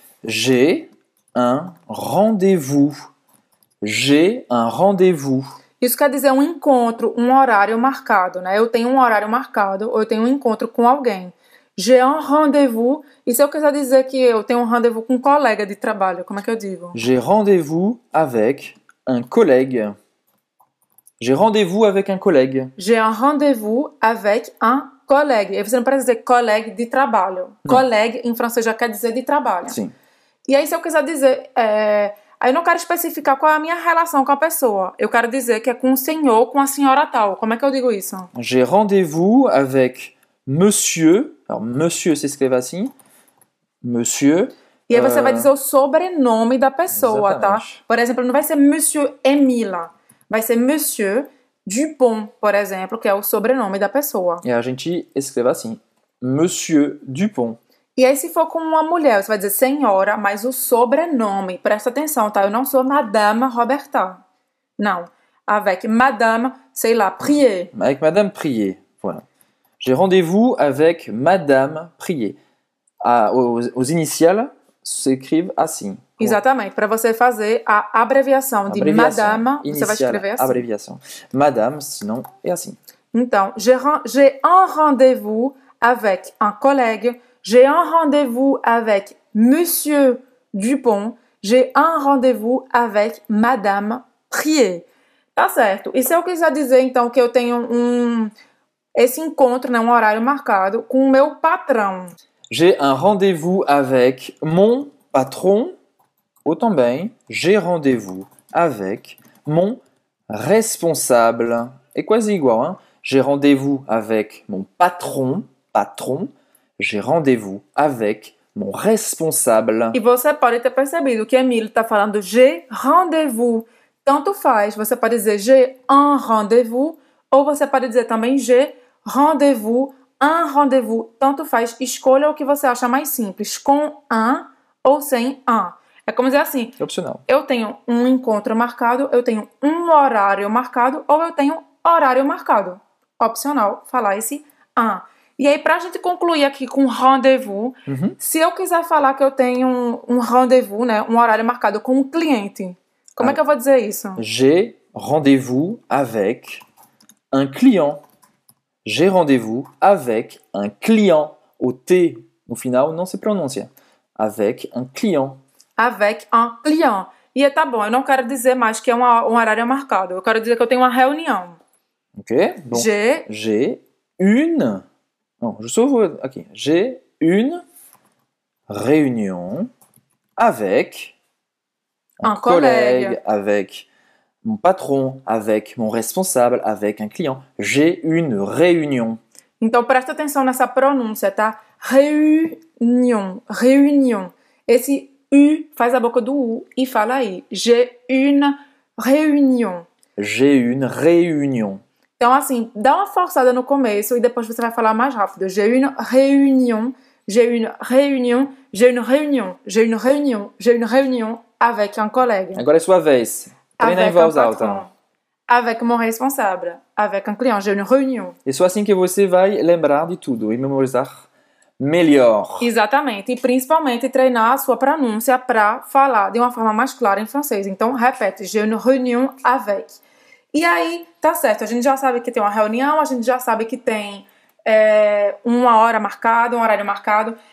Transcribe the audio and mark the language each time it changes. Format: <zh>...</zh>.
<fr>J'ai un rendez-vous. J'ai un rendez-vous.</fr> <pt>Isso quer dizer um encontro, um horário marcado, né? Eu tenho um horário marcado ou eu tenho um encontro com alguém.</pt> <fr>J'ai un rendez-vous.</fr> <pt>E se eu quiser dizer que eu tenho um rendez-vous com um colega de trabalho, como é que eu digo?</pt> <fr>J'ai rendez-vous avec un collègue. J'ai rendez-vous avec un collègue. J'ai un rendez-vous avec un collègue.</fr> <pt>E você não precisa dizer colega de trabalho. Não. Collègue em francês já quer dizer de trabalho. Sim. E aí se eu quiser dizer... Aí eu não quero especificar qual é a minha relação com a pessoa. Eu quero dizer que é com o senhor ou com a senhora tal. Como é que eu digo isso?</pt> <fr>J'ai rendez-vous avec monsieur.</fr> <pt>Alors, monsieur se escreve assim. Monsieur. E aí você vai dizer o sobrenome da pessoa, exatamente. Tá? Por exemplo, não vai ser Monsieur Emile. Vai ser Monsieur Dupont, por exemplo, que é o sobrenome da pessoa. E a gente escreve assim. Monsieur Dupont. E aí se for com uma mulher, você vai dizer senhora, mas o sobrenome, presta atenção, tá? Eu não sou Madame Roberta, não.</pt> <fr>Avec Madame,</fr> <pt>sei lá,</pt> <fr>Prier. Avec Madame Prier, voilà. J'ai rendez-vous avec Madame Prier. Aux initiales, s'écrivent</fr> <pt>assim. Exatamente, para você fazer a abreviação de abreviação.</pt> <fr>Madame, Initial,</fr> <pt>você vai escrever assim. Abreviação.</pt> <fr>Madame, sinon,</fr> <pt>é assim. Então,</pt> <fr>j'ai un rendez-vous avec un collègue. J'ai un rendez-vous avec Monsieur Dupont. J'ai un rendez-vous avec Madame Prier.</fr> <pt>Tá certo. E se eu quiser dizer, então, que eu tenho esse encontro, né, um horário marcado, com o meu patrão?</pt> <fr>J'ai un rendez-vous avec mon patron. Ou também, j'ai rendez-vous avec mon responsable.</fr> <pt>É quase igual, hein?</pt> <fr>J'ai rendez-vous avec mon patron. Patron. J'ai rendez-vous avec mon responsable.</fr> <pt>E você pode ter percebido que Emile está falando</pt> <fr>j'ai rendez-vous.</fr> <pt>Tanto faz, você pode dizer</pt> <fr>j'ai un rendez-vous</fr> <pt>ou você pode dizer também</pt> <fr>j'ai rendez-vous, un rendez-vous.</fr> <pt>Tanto faz, escolha o que você acha mais simples, com un ou sem un. É como dizer assim, é opcional. Eu tenho um encontro marcado, eu tenho um horário marcado ou eu tenho horário marcado. Opcional falar esse un. E aí, pra gente concluir aqui com rendezvous, uhum. Se eu quiser falar que eu tenho um rendezvous, né, um horário marcado com um cliente, como é que eu vou dizer isso?</pt> <fr>J'ai rendez-vous avec un client. J'ai rendez-vous avec un client.</fr> <pt>O T, no final, não se pronuncia.</pt> <fr>Avec un client. Avec un client.</fr> <pt>E tá bom, eu não quero dizer mais que é um horário marcado. Eu quero dizer que eu tenho uma reunião.</pt> <fr>Ok, bom. J'ai une... Non, je sauve. Ok. J'ai une réunion avec un collègue, avec mon patron, avec mon responsable, avec un client. J'ai une réunion.</fr> <pt>Então presta atenção nessa pronúncia, tá?</pt> <fr>Réunion, réunion.</fr> <pt>Esse U faz a boca do U e fala aí.</pt> <fr>J'ai une réunion. J'ai une réunion.</fr> <pt>Então, assim, dá uma forçada no começo e depois você vai falar mais rápido.</pt> <fr>J'ai une réunion, j'ai une réunion, j'ai une réunion, j'ai une réunion, j'ai une réunion avec un collègue.</fr> <pt>Agora é sua vez. Treina em voz alta.</pt> <fr>Avec mon responsable, avec un client, j'ai une réunion.</fr> <pt>E só assim que você vai lembrar de tudo e memorizar melhor. Exatamente. E principalmente treinar a sua pronúncia para falar de uma forma mais clara em francês. Então, repete.</pt> <fr>J'ai une réunion avec.</fr> <pt>E aí, tá certo, a gente já sabe que tem uma reunião, a gente já sabe que tem uma hora marcada, um horário marcado.</pt>